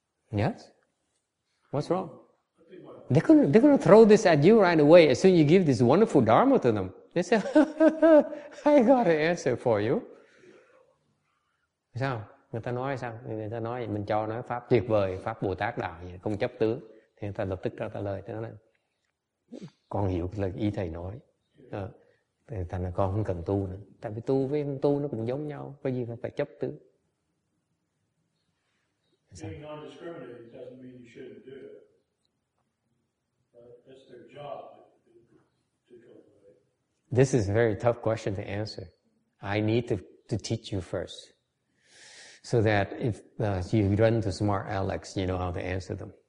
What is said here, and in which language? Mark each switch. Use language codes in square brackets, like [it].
[en] Yes. What's wrong? They're gonna throw this at you right away as soon as you give this wonderful dharma to them. They say, I got an answer for you. [vi] Sao? Người ta nói sao? Người ta nói, mình cho nói pháp tuyệt vời, pháp Bồ Tát đạo, không chấp tướng. Thì người ta lập tức ra trả lời. Thế nên, con hiểu lời ý thầy nói. Thì người ta nói, con không cần tu nữa. Tại vì tu với không tu nó cũng giống nhau. Có gì mà phải chấp tướng. [en] Being non-discriminating doesn't mean you shouldn't do it. That's their job. This is a very tough question to answer. I need to teach you first. So that if you run to smart Alex, you know how to answer them.